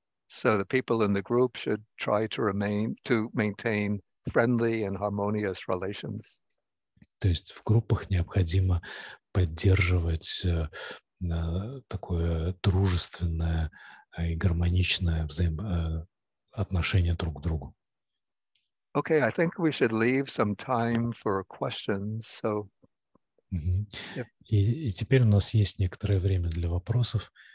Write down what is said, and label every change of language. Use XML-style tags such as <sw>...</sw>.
<en>So the people in the group should try to remain to maintain friendly and harmonious relations.</en> <ru>То есть в группах необходимо поддерживать такое дружественное и гармоничное отношение друг к другу.</ru> <en>Okay, I think we should leave some time for questions. So. Mm-hmm. Yep.</en> <ru>И теперь у нас есть некоторое время для вопросов.</ru>